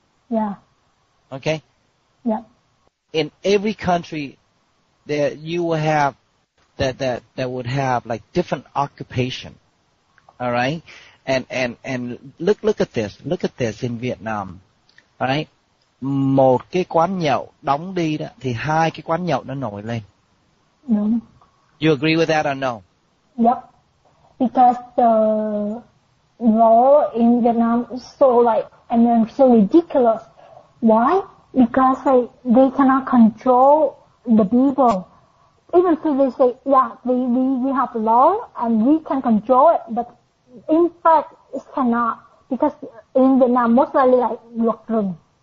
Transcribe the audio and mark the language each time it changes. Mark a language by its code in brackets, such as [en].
[en] Yeah. Okay? Yeah. In every country, there you will have that would have like different occupation, all right? And look at this in Vietnam, all right? [vi] Một cái quán nhậu đóng đi đó thì hai cái quán nhậu nó nổi lên. [en] No. You agree with that or no? Yep. Because the law in Vietnam is so like, I mean, so ridiculous. Why? Because like, they cannot control the people. Even if they say, yeah, we have law and we can control it, but in fact, it cannot, because in Vietnam, most likely, like, luật rừng.